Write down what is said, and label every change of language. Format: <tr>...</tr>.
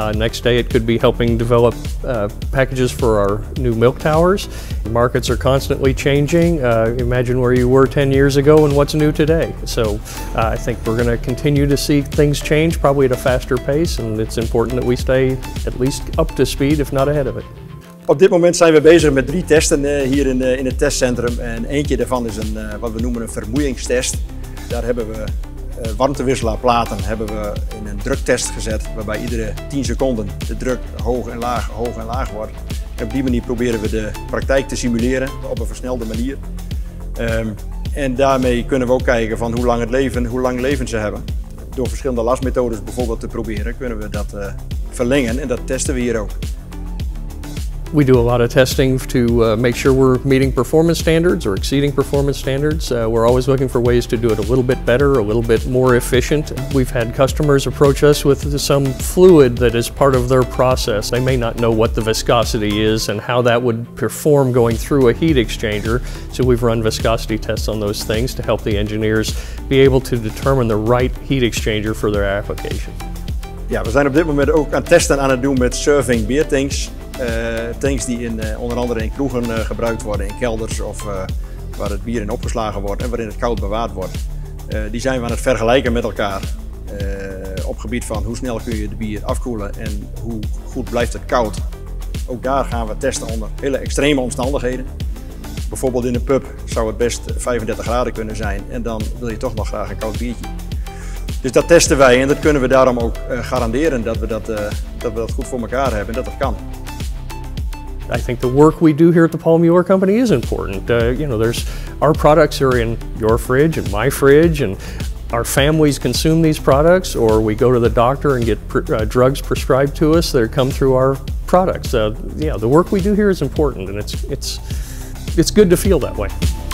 <en>Next day it could be helping develop packages for our new milk towers. Markets are constantly changing. Imagine where you were 10 years ago and what's new today. So I think we're going to continue to see things change probably at a faster pace, and it's important that we stay at least up to speed, if not ahead of it.</en> <nl>Op dit moment zijn we bezig met drie testen hier in het testcentrum. En eentje daarvan is een wat we noemen een vermoeiingstest. Daar hebben we warmtewisselaarplaten hebben we in een druktest gezet, waarbij iedere 10 seconden de druk hoog en laag wordt. En op die manier proberen we de praktijk te simuleren op een versnelde manier. En daarmee kunnen we ook kijken van hoe lang leven ze hebben. Door verschillende lasmethodes bijvoorbeeld te proberen, kunnen we dat verlengen en dat testen we hier ook.</nl> <en>We do a lot of testing to make sure we're meeting performance standards or exceeding performance standards. We're always looking for ways to do it a little bit better, a little bit more efficient. We've had customers approach us with some fluid that is part of their process. They may not know what the viscosity is and how that would perform going through a heat exchanger. So we've run viscosity tests on those things to help the engineers be able to determine the right heat exchanger for their application.</en> <nl>Yeah, we zijn op dit moment ook aan testen aan het doen met serving beer tanks. Tanks die in, onder andere in kroegen gebruikt worden, in kelders of waar het bier in opgeslagen wordt en waarin het koud bewaard wordt. Die zijn we aan het vergelijken met elkaar op gebied van hoe snel kun je de bier afkoelen en hoe goed blijft het koud. Ook daar gaan we testen onder hele extreme omstandigheden. Bijvoorbeeld in een pub zou het best 35 graden kunnen zijn en dan wil je toch nog graag een koud biertje. Dus dat testen wij en dat kunnen we daarom ook garanderen dat we dat goed voor elkaar hebben en dat dat kan.</nl> <en>I think the work we do here at the Paul Mueller Company is important. You know, our products are in your fridge and my fridge, and our families consume these products, or we go to the doctor and get drugs prescribed to us that come through our products. Yeah, the work we do here is important, and it's good to feel that way.</en>